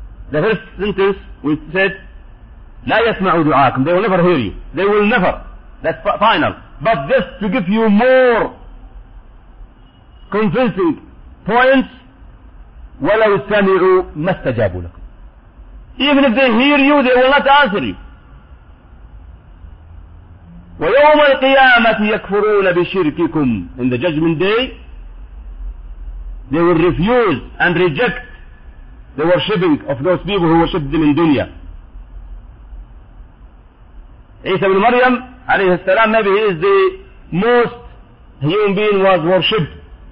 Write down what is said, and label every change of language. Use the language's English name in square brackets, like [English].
[English] The first sentence which said, لا يسمعوا دعاكم, they will never hear you. They will never. That's final. But just to give you more convincing points, ولو سمعوا ما استجابوا لكم. Even if they hear you, they will not answer you. [Arabic] ويوم القيامة يكفرون بشرككم. [English] In the judgment day, they will refuse and reject the worshipping of those people who worship them in dunya. Isa ibn Maryam, alayhi salam, maybe he is the most human being was worshipped.